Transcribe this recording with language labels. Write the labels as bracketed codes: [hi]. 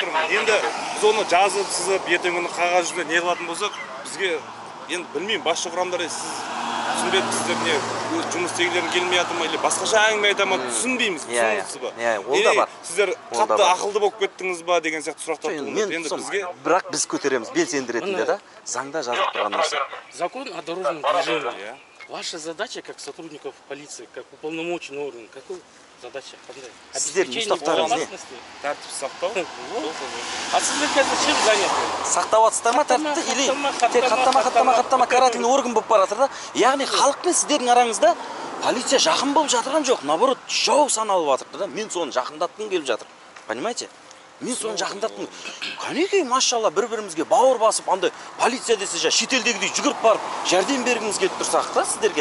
[kk] Енді біз оны жазып сызып, ертеңгі күні қағаз жүзінде не қылатын болсақ, бізге енді білмеймін, басшы құрамдар сіз түсінбеді, сіздер не жұмыс істегілерің келмей жатыр ма, [ru] или [kk] басқаша әңгіме айта ма, түсінбейміз. Иә, ол да бар. Сіздер қатты ақылды болып кеттіңіз ба деген сияқты сұрақтар туындады. Бірақ біз көтереміз белсенді ретінде, да, заңда жазылып тұрған нәрсе. [ru] Закон о дорожном движении. Ваша задача как сотрудников полиции, как уполномоченного органа, какой задача? [kk] Сіздер не ұстаптарыңыз не? Тәртіп сақтау. [ru] А [kk] сіздер қазір [ru] чем заняты? [kk] Сақтап жатсыздар ма тәртіпті? [ru] Или [kk] тек хаттама [ru] карательный [kk] орган болып бара жатыр да? Яғни халық пен сіздердің араңызда полиция жақын болып жатырған жоқ, [ru] наоборот [kk] жау саналып жатыр да? Мен соны жақындатқым келіп жатыр. [ru] Понимаете? [kk] Мен соны жақындаттым. Қанекей, машалла, бір-бірімізге бауыр басып, анда полиция десе, жа шетелдегідей жүгіріп барып, жәрдем бергіңіз келіп тұрсақ та, сіздерге.